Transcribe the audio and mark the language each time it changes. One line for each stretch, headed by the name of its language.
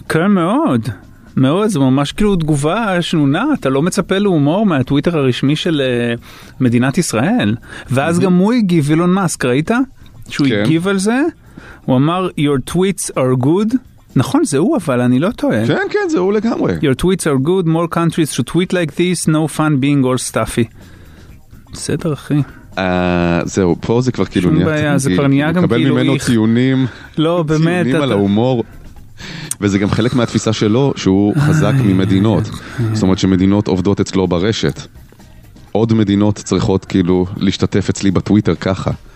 Hebrew: כן, מאוד, מאוד, זה ממש כאילו תגובה שנונה, אתה לא מצפה להומור מהטוויטר הרשמי של מדינת ישראל, ואז גם הוא הגיב, אילון מאסק, ראית? שהוא הגיב על זה, הוא אמר,
English: your tweets are good,
Hebrew: נכון, זה הוא, אבל אני לא טועה. כן, כן, זה הוא לגמרי.
English: Your tweets are good, more countries should tweet like this, no fun being all stuffy.
Hebrew: בסדר, אחי. זהו, פה זה כבר כאילו נהיה. שום בעיה, זה כבר נהיה גם כאילו איך. מקבל ממנו ציונים. לא, באמת. ציונים על ההומור. וזה גם חלק מהתפיסה שלו, שהוא חזק ממדינות. זאת אומרת שמדינות עובדות אצלו ברשת. עוד מדינות צריכות כאילו להשתתף אצלי בטוויטר ככה.